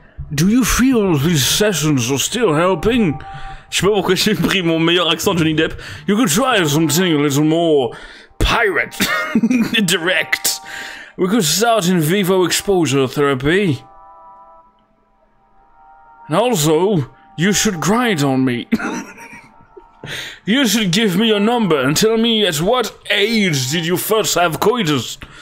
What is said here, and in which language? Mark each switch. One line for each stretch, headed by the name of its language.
English: Do you feel these sessions are still helping?
French: Je sais pas pourquoi j'ai pris mon meilleur accent Johnny Depp.
English: You could try something a little more pirate. Direct. We could start in vivo exposure therapy. And also, you should grind on me. You should give me your number and tell me at what age did you first have coitus.